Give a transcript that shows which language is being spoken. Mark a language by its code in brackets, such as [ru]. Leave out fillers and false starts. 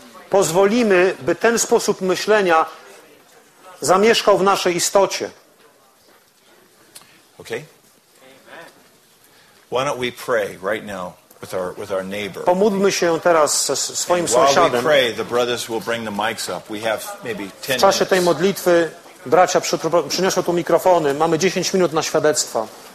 [pl] Pozwolimy, by ten sposób myślenia zamieszkał w naszej istocie. [en] Okay? Amen. Why don't we pray right now with our neighbor? [pl] Pomódlmy się teraz ze swoim sąsiadem. [en] While we pray, the brothers will bring the mics up. We have maybe 10 minutes. [pl] W czasie tej modlitwy bracia przyniosą tu mikrofony. Mamy 10 minut na świadectwa.